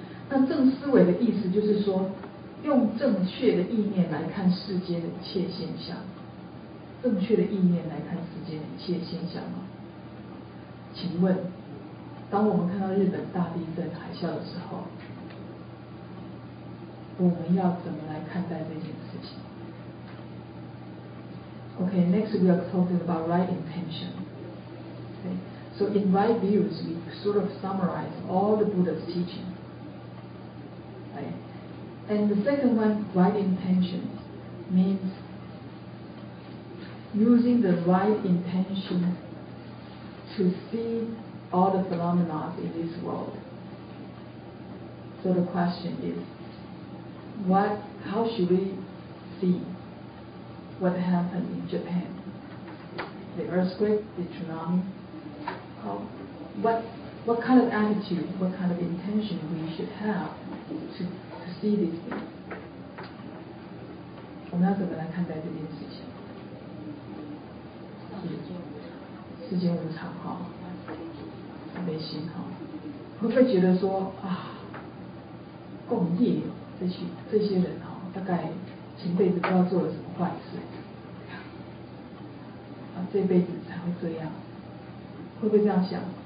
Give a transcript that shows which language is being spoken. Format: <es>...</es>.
<zh>那正思维的意思就是说，用正确的意念来看世间的一切现象，正确的意念来看世间的一切现象吗？请问，当我们看到日本大地震海啸的时候，我们要怎么来看待这件事情？</zh> <en>OK, next we are talking about right intention. Okay, so in right views, we sort of summarize all the Buddha's teaching. Right? And the second one, right intention, means using the right intention to see all the phenomena in this world. So the question is, how should we see what happened in Japan? The earthquake, the tsunami? What kind of attitude, what kind of intention we should have to see these things?</en> <zh>我们要怎么来看待这件事情？世间无常哈，慈悲心哈，会不会觉得说啊，共业这些人哈，大概前辈子不知道做了什么坏事，啊，这辈子才会这样，会不会这样想？</zh>